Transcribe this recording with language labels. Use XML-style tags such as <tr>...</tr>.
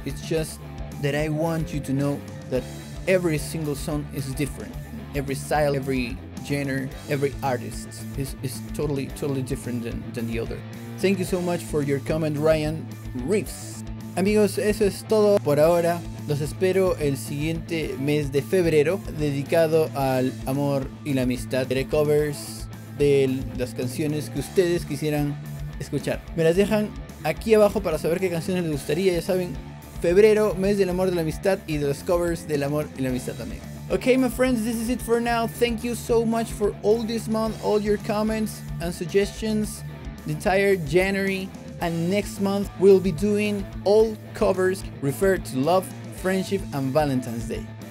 <en>It's just that I want you to know that every single song is different. Every style, every genre, every artist is totally different than the other. Thank you so much for your comment, Ryan Reeves.</en> <es>Amigos, eso es todo por ahora. Los espero el siguiente mes de febrero, dedicado al amor y la amistad. Haré covers de las canciones que ustedes quisieran escuchar. Me las dejan aquí abajo para saber qué canciones les gustaría. Ya saben, febrero, mes del amor y la amistad, y de los covers del amor y la amistad también.</es> <en>Okay, my friends, this is it for now. Thank you so much for all this month, all your comments and suggestions, the entire January. And next month, we'll be doing all covers referred to love, friendship, and Valentine's Day.</en>